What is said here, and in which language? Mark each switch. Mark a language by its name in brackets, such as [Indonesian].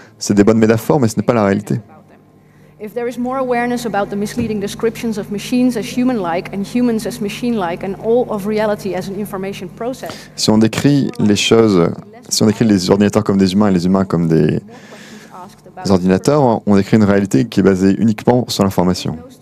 [French] C'est des bonnes métaphores, mais ce n'est pas la réalité. [English] If there is more awareness about the misleading descriptions of machines as human-like and humans as machine-like and all of reality as an information process. [French] Si on décrit les ordinateurs comme des humains et les humains comme des ordinateurs, on décrit une réalité qui est basée uniquement sur l'information.